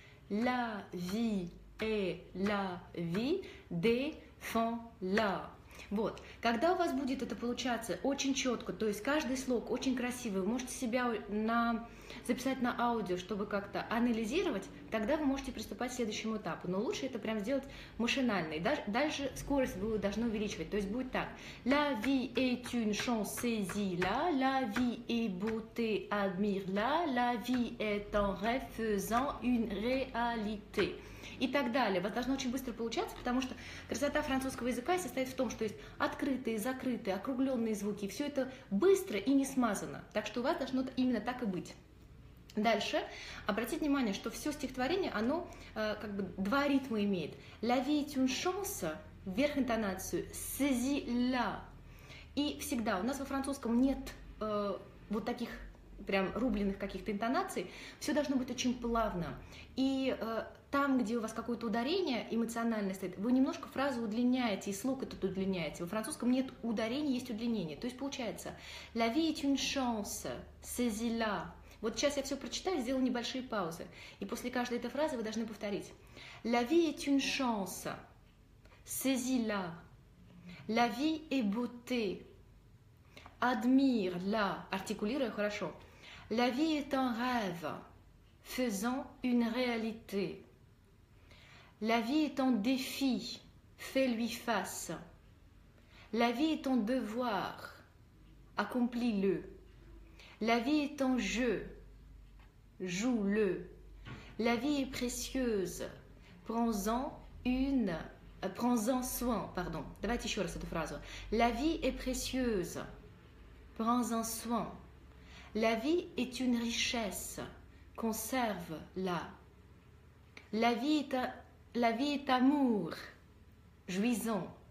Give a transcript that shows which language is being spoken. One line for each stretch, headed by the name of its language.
French: La vie est la vie, défends-la.
Russian: Вот, когда у вас будет это получаться очень четко, то есть каждый слог очень красивый, вы можете себя записать на аудио, чтобы как-то анализировать, тогда вы можете приступать к следующему этапу. Но лучше это прям сделать машинально. И дальше скорость вы должны увеличивать. То есть будет так.
French: La vie est une chance, saisis-la. La vie est beauté, admire-la. La vie est un rêve, faisant une réalité.
Russian: И так далее. У вас должно очень быстро получаться, потому что красота французского языка состоит в том, что есть открытые, закрытые, округленные звуки. Все это быстро и не смазано. Так что у вас должно именно так и быть. Дальше. Обратите внимание, что все стихотворение, оно как бы два ритма имеет.
French: La vie est une chance,
Russian: вверх интонацию,
French: saisis-la.
Russian: И всегда у нас во французском нет вот таких прям рубленых каких-то интонаций, все должно быть очень плавно. И там, где у вас какое-то ударение эмоциональное стоит, вы немножко фразу удлиняете и слог этот удлиняете. Во французском нет ударения, есть удлинение. То есть получается
French: «La vie est une chance, saisis-la».
Russian: Вот сейчас я все прочитаю, сделаю небольшие паузы. И после каждой этой фразы вы должны повторить.
French: «La vie est une chance, saisis-la. La vie est beauté». Admire-la,
Russian: артикулируя хорошо.
French: La vie est un rêve, faisant une réalité. La vie est un défi, fais-lui face. La vie est un devoir, accomplis-le. La vie est un jeu, joue-le. La vie est précieuse, prends-en soin, pardon.
Russian: Давайте еще раз эту фразу.
French: La vie est précieuse. Prends-en soin. La vie est une richesse. Conserve-la. La vie est amour. Jouis-en.